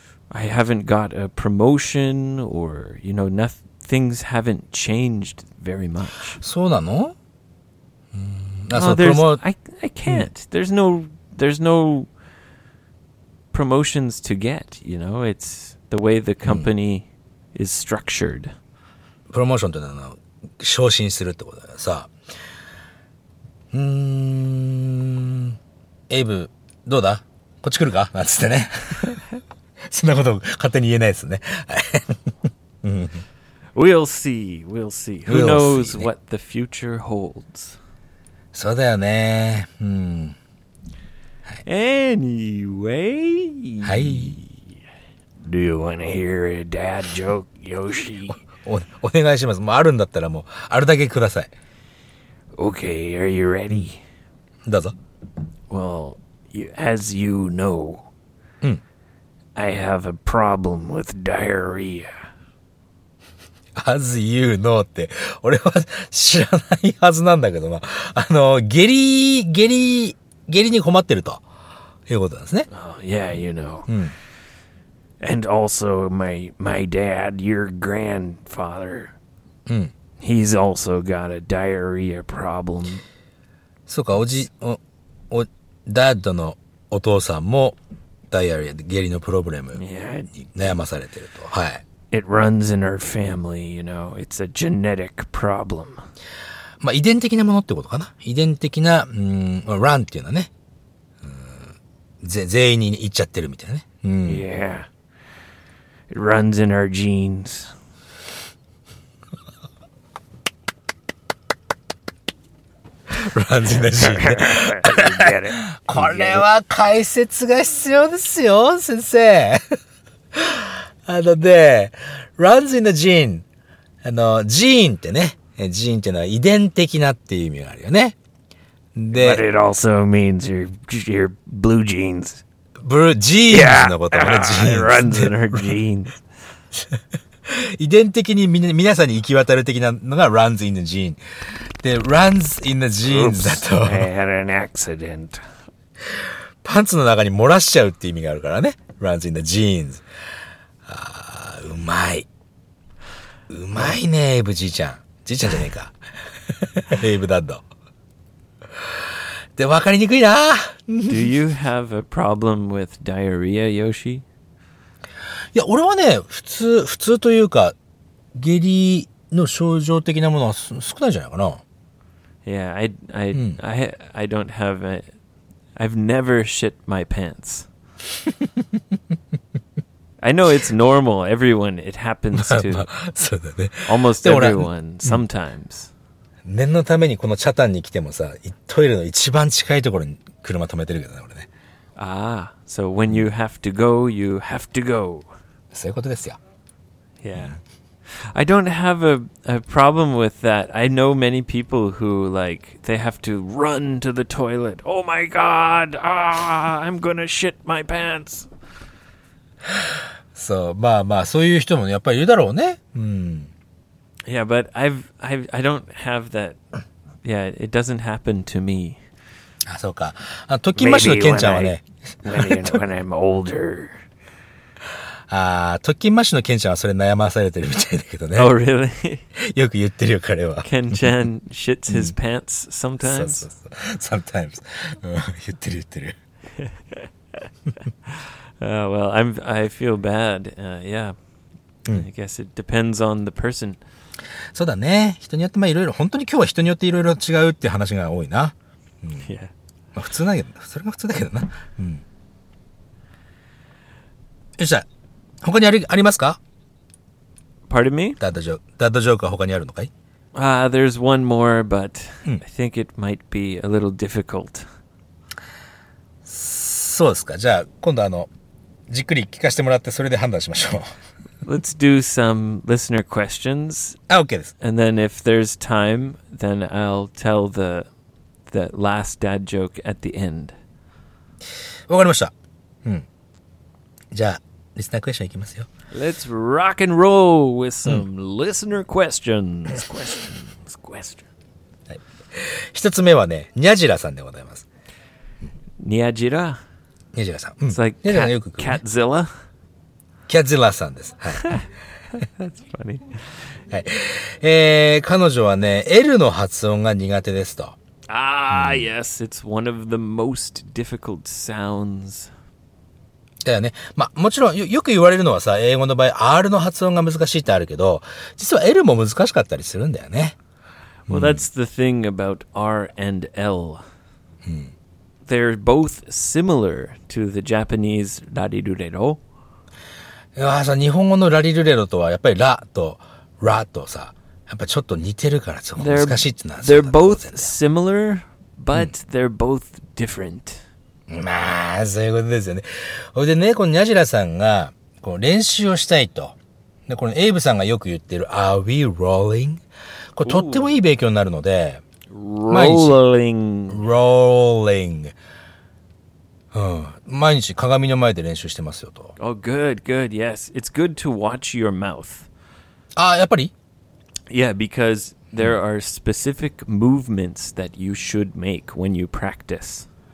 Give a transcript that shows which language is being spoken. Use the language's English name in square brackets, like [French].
[English] I haven't got a promotion or, you know, things haven't changed very much. [Japanese] そうなの？ [English] I can't. There's no promotions to get, you know? It's the way the company is structured. [Japanese] プロモーションってのは、昇進するってことだよ。さあ。エイブ、どうだ？こっち来るか？なんつってね。そんなこと勝手に言えないですね。 [English] We'll see. Who knows what the future holds? [Japanese] そうだよね。 [English] Anyway, hi. Do you want to hear a dad joke, Yoshi? [Japanese] お願いします。もうあるんだったらもうあるだけください。 [English] Okay, are you ready? [Japanese] どうぞ。 [English] Well, as you know, I have a problem with diarrhea. As you know [Japanese] って、俺は知らないはずなんだけどな。下痢に困ってると。 [English] Yeah, you know. And also my dad, your grandfather. He's also got a diarrhea problem. [Japanese] そうか、おじ、お、お、ダッドのお父さんも、ダイアリア、下痢のプロブレムに悩まされてると。はい。 [English] It runs in our family, you know. It's a genetic problem. [Japanese] まあ、遺伝的なものってことかな。遺伝的な、うん、run っていうのはね。全員に行っちゃってるみたいなね。うん。 [English] Yeah. It runs in our genes. runs in our genes. [Japanese] これは解説が必要ですよ、先生。あのね、 [English] runs in the gene。 [Japanese] あの、ジーンってね。ジーンっていうのは遺伝的なっていう意味があるよね。 [English] で、But it also means your blue jeans. [Japanese] ブルージーンズのこともね、 [English] ジーンズ。runs in our genes. [Japanese] 遺伝的に皆さんに行き渡る的なのが [English] runs in the gene。 [Japanese] で、 [English] runs in the genes [Japanese] だと。 [English] I had an accident. [Japanese] パンツの中に漏らしちゃうって意味があるからね。 [English] runs in the genes。 [Japanese] ああ、うまい。うまいね、エイブじいちゃん。じいちゃんじゃねえか。エイブダッド。で、わかりにくいな。 [English] Do you have a problem with diarrhea, Yoshi? [Japanese] いや、俺はね、普通というか、下痢の症状的なものは少ないじゃないかな。 [English] Yeah, I don't have a... I've never shit my pants. I know it's normal. Everyone, it happens to almost everyone sometimes. [Japanese] 念のためにこのチャタンに来てもさ、トイレの一番近いところに車止めてるけどね、俺ね。 [English] Ah, so when you have to go, you have to go. [Japanese] そういうことですよ。 [English] Yeah. I don't have a problem with that. I know many people who, like, they have to run to the toilet. Oh my god! Ah, I'm gonna shit my pants! [Japanese] そう、まあまあ、そういう人もやっぱりいるだろうね。うん。 [English] Yeah, but I don't have that. Yeah, it doesn't happen to me. [Japanese] あ、そうか。あ、トキンマッシュのケンちゃんはね。 [English] when I'm older. [Japanese] あ、トキンマッシュのケンちゃんはそれ悩まされてるみたいだけどね。 [English] Oh, really? [Japanese] よく言ってるよ、彼は。 [English] ケンちゃん shits his pants sometimes? [Japanese] そうそうそう。 [English] Sometimes. [Japanese] 言ってる言ってる。 [English] well, I feel bad. Yeah. I guess it depends on the person. [Japanese] そうだね。人によってまあいろいろ本当に今日は人によっていろいろ違うっていう話が多いな。うん、yeah. まあ普通なんやけど、それが普通だけどな。うん。よっしゃ。他にありますか [English] ？Pardon me? [Japanese] ダッドジョークは他にあるのかい [English] ？There's one more, but I think it might be a little difficult.、うん、 [Japanese] そうですか。じゃあ今度あのじっくり聞かせてもらってそれで判断しましょう。 [English] Let's do some listener questions. Okay. And then if there's time, then I'll tell the last dad joke at the end. [Japanese] わかりました。うん。じゃあ、リスナークエスチョンいきますよ。 [English] Let's rock and roll with some listener questions. [Japanese] はい。一つ目はね、ニャジラさんでございます。ニャジラ？ニャジラさん。 [English] It's like [Japanese] ニャジラさんよく来る、ね、Catzilla? キャッジラさんです。はい。 [English] That's funny. [Japanese] はい。彼女はね、L の発音が苦手ですと。 [English] Ah,、うん、yes, it's one of the most difficult sounds. [Japanese] だよね。まあ、もちろん、よく言われるのはさ、英語の場合、R の発音が難しいってあるけど、実は L も難しかったりするんだよね。 [English] Well, that's the thing about R and L.、うん、They're both similar to the Japanese ラリルレロ。 [Japanese] ああさ日本語のラリルレロとはやっぱりラとラとさやっぱちょっと似てるからちょっと難しいってなっちゃう。 [English] They're both similar, but they're both different. [Japanese] まあそういうことですよね。それでねこのニャジラさんがこう練習をしたいとでこのエイブさんがよく言ってる [English] Are we rolling? [Japanese] これとってもいい勉強になるので。 [English] Rolling. Rolling. [Japanese] うん、毎日鏡の前で練習してますよと。 [English] Oh, good, good, yes. It's good to watch your mouth. [Japanese] ああ、やっぱり? [English] Yeah, because there are specific movements that you should make when you practice.